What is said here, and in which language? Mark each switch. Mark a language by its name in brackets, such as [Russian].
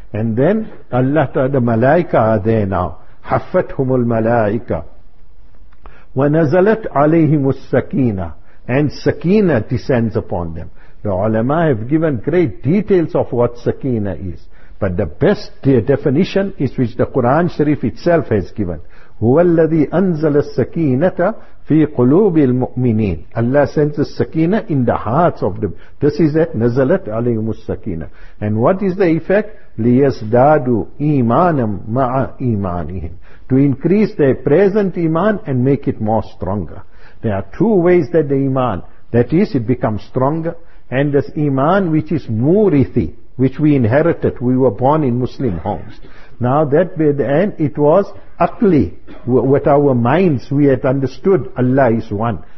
[English] And then Allah Ta'ala, the malaika are there now. [Arabic] Haffat humul malaika. Wa nazalat alayhimus sakina. [English] And sakina descends upon them. The ulama have given great details of what sakina is. But the best definition is which the Quran Sharif itself has given. [Arabic] هو الذي أنزل السكينة في قلوب المؤمنين. [English] Allah sends the sakina in the hearts of them. This is that [Arabic] نزلت عليهم السكينة. [English] And what is the effect? [Arabic] ليزدادوا إيمانا مع إيمانهم. [English] To increase their present iman and make it more stronger. There are two ways that the iman, that is, it becomes stronger. And this iman which is murithi, which we inherited, we were born in Muslim homes. Now that by the end, it was akli, with our minds we had understood Allah is one.